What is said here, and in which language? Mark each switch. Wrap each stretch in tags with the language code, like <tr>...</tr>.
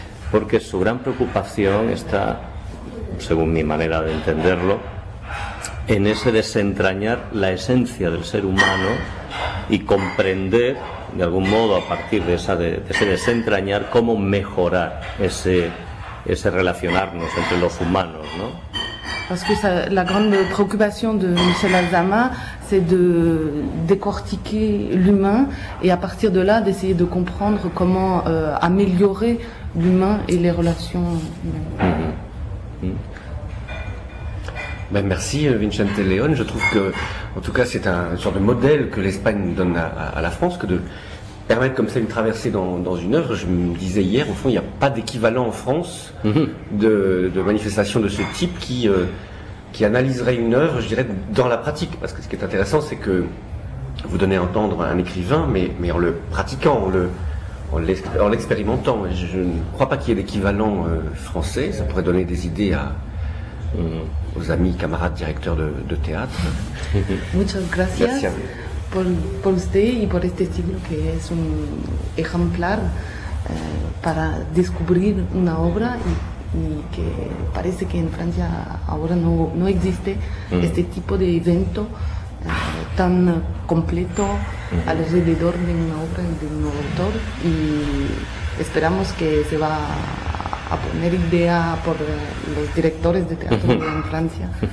<es>Porque su gran preocupación está, según mi manera de entenderlo, en ese desentrañar la esencia del ser humano y comprender, de algún modo, a partir de ese desentrañar, cómo mejorar ese relacionarnos entre los humanos, ¿no?</es> <fr>Parce que la grande préoccupation de Michel Azama, c'est de décortiquer l'humain et à partir de là d'essayer de comprendre comment améliorer l'humain et les relations humaines. Ben merci Vicente León, je trouve que en tout cas c'est un genre de modèle que l'Espagne donne à la France, que de permettre comme ça une traversée dans une œuvre. Je me disais hier, au fond, il n'y a pas d'équivalent en France de manifestation de ce type qui analyserait une œuvre, je dirais, dans la pratique. Parce que ce qui est intéressant, c'est que vous donnez à entendre un écrivain, mais en le pratiquant, en l'expérimentant. Je ne crois pas qu'il y ait d'équivalent français. Ça pourrait donner des idées aux amis, camarades, directeurs de théâtre.</fr> <es>Muchas gracias.</es> <fr>Merci à vous.</fr> <es>Por usted y por este siglo que es un ejemplar para descubrir una obra y y que parece que en Francia ahora no existe este tipo de evento tan completo alrededor de una obra de un autor, y esperamos que se va a poner idea por los directores de teatro en Francia.</es>